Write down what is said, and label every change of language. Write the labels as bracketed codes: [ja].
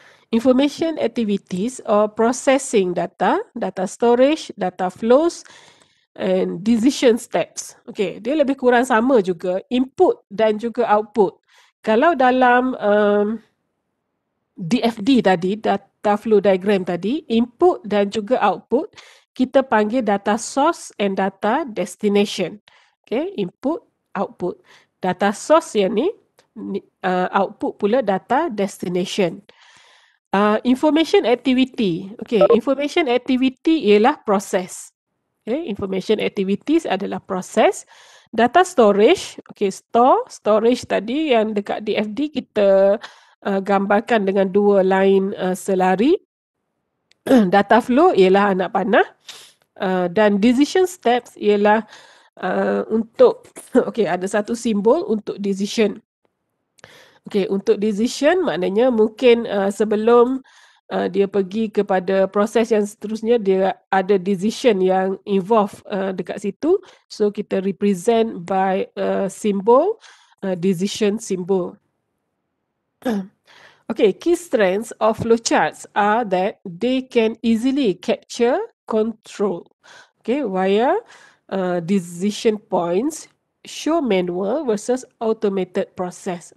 [en] Information activities or processing data, data storage, data flows and decision steps. [ms] Okay, dia lebih kurang sama juga input dan juga output. Kalau dalam DFD tadi, data flow diagram tadi, input dan juga output kita panggil data source and data destination. Okay, input, output. Data source yang ni, output pula data destination. Information activity. Okay, information activity ialah proses. Okay, information activities adalah proses. Data storage, okay, storage tadi yang dekat DFD kita gambarkan dengan dua line selari. Data flow ialah anak panah. Dan decision steps ialah untuk, okay, ada satu simbol untuk decision. Okay, untuk decision maknanya mungkin sebelum dia pergi kepada proses yang seterusnya, dia ada decision yang involve dekat situ. [en] So, kita represent by symbol, decision symbol. Okay, key strengths of flowcharts are that they can easily capture control. Okay, via decision points, show manual versus automated process.